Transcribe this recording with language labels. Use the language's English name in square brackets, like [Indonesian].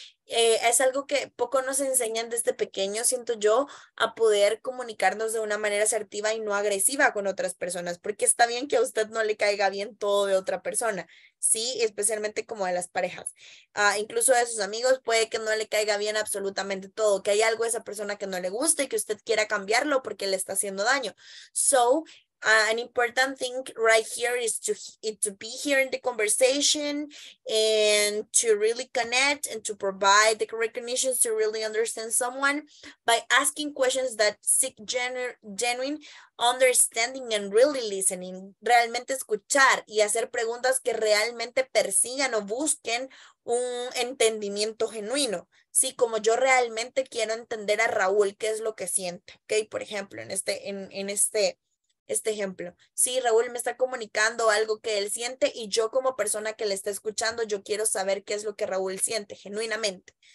[Spanish] Es algo que poco nos enseñan desde pequeño, siento yo, a poder comunicarnos de una manera asertiva y no agresiva con otras personas, porque está bien que a usted no le caiga bien todo de otra persona, ¿sí? Especialmente como de las parejas. Incluso de sus amigos puede que no le caiga bien absolutamente todo, que hay algo a esa persona que no le gusta y que usted quiera cambiarlo porque le está haciendo daño. [English] So, an important thing right here is to be here in the conversation and to really connect and to provide the recognition to really understand someone by asking questions that seek genuine understanding and really listening. [Spanish] Realmente escuchar y hacer preguntas que realmente persigan o busquen un entendimiento genuino. Sí, como yo realmente quiero entender a Raúl, qué es lo que siente. Okay, por ejemplo, en este este ejemplo. Sí, Raúl me está comunicando algo que él siente y yo como persona que le está escuchando, yo quiero saber qué es lo que Raúl siente genuinamente.